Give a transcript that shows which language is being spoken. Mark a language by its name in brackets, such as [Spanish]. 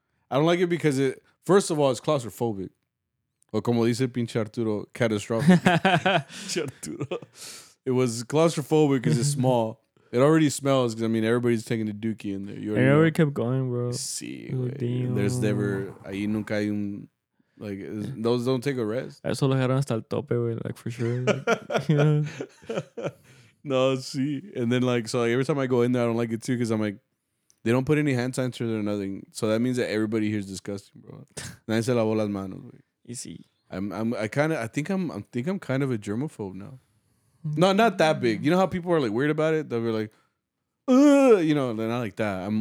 [English] I don't like it because it, first of all, it's claustrophobic. [Spanish] O como dice pinche Arturo, [English] catastrophic. Arturo. It was claustrophobic because it's small. It already smells because, I mean, everybody's taking the dookie in there. And everybody kept going, bro. See, there's never, [Spanish] ahí nunca hay un, [English] like, those don't take a rest. [Spanish] Eso lo dejaron hasta el tope, güey, [English] like, for sure. No, see. And then, like, so like, every time I go in there, I don't like it too because I'm like, they don't put any hand sanitizer or nothing. So that means that everybody here is disgusting, bro. [Spanish] Nadie se lavó las manos, güey. Y sí. [English] I think I'm kind of a germaphobe now. No, not that big. You know how people are like weird about it? They'll be like, you know, they're not like that.